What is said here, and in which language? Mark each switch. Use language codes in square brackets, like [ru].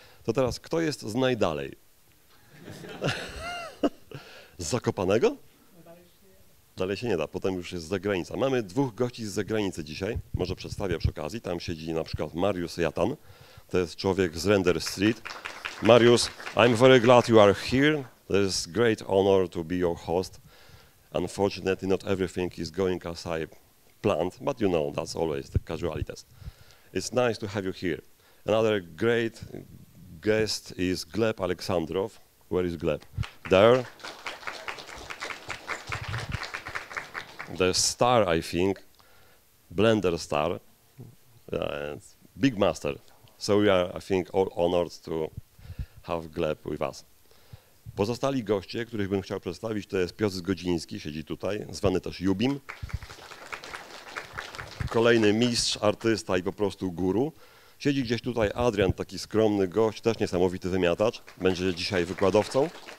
[pl] To teraz, kto jest z najdalej? Z Zakopanego? Dalej się nie da, potem już jest z zagranicy. Mamy dwóch gości z zagranicy dzisiaj, może przedstawię przy okazji. Tam siedzi na przykład Mariusz Jatan, to jest człowiek z Render Street. [en] Mariusz, I'm very glad you are here. [pl] To jest [en] great honor to be your host. Unfortunately, not everything is going as I planned, but you know, that's always the casualties. It's nice to have you here. Another great guest is Gleb Aleksandrov. Where is Gleb? There. The star, I think. Blender star. Big master. So we are, I think, all honored to have Gleb with us. [pl] Pozostali goście, których bym chciał przedstawić, to jest Piotr Zgodziński, siedzi tutaj, zwany też Jubim. Kolejny mistrz, artysta i po prostu guru. Siedzi gdzieś tutaj Adrian, taki skromny gość, też niesamowity wymiatacz, będzie dzisiaj wykładowcą.